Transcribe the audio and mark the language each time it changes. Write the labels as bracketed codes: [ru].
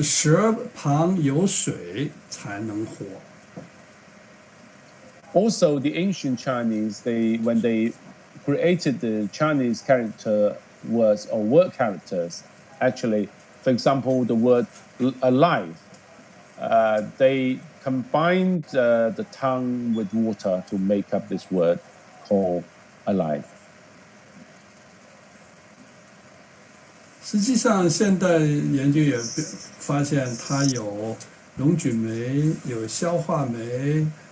[zh] 我们古人造字的是舌旁有水才能活。 [en] Also, the ancient Chinese, when they created the Chinese character words or word characters, actually, for example, the word alive, they combined the tongue with water to make up this word called alive. [zh] 实际上现代研究也发现它有溶菌酶，有消化酶。